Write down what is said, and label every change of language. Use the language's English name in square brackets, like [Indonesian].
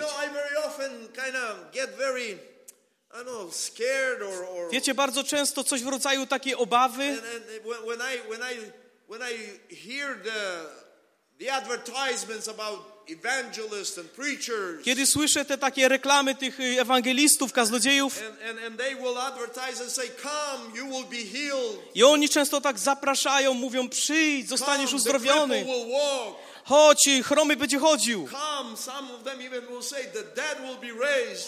[English] You know, I very often kind of get very, I don't know, scared or [Polish] wiecie, bardzo często coś w rodzaju takiej obawy. [English] When I hear the advertisements about evangelists and preachers. [Polish] Kiedy słyszę te takie reklamy tych ewangelistów, kaznodziejów. [English] And they will advertise and say, come, you will be healed. [Polish] I oni często tak zapraszają, mówią, przyjdź, zostaniesz [English] come, [Polish] uzdrowiony. [English] The cripple will walk. [Polish] Chodź, chromy będzie chodził. [English] Come, some of them even will say the dead will be raised.